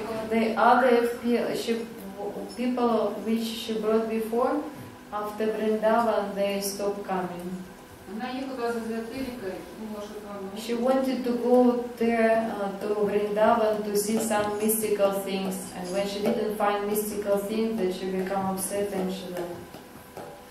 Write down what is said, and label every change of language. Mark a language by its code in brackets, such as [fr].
[en] The other people which she brought before, after Vrindavan, they stopped coming. [ru] Она ехала за эзотерикой. [en] She wanted to go there to Vrindavan to see some mystical things. And when she didn't find mystical things, then she became upset and she left.